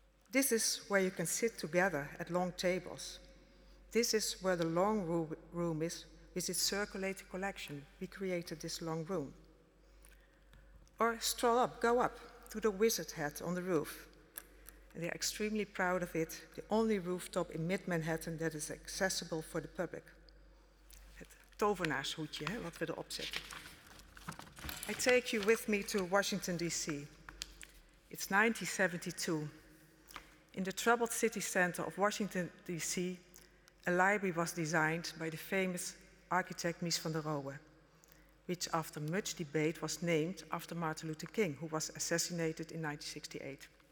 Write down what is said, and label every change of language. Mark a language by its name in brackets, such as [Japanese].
[English] This is where you can sit together at long tables. This is where the long room is with its circulating collection. We created this long room. Or stroll up, go up to the wizard hat on the roof. And they're extremely proud of it, the only rooftop in mid-Manhattan that is accessible for the public. [Dutch] Het tovenaarshoedje, wat we erop zetten. [English] I take you with me to Washington, D.C. It's 1972. In the troubled city center of Washington, D.C., a library was designed by the famous architect Mies van der Rohe, which after much debate was named after Martin Luther King, who was assassinated in 1968.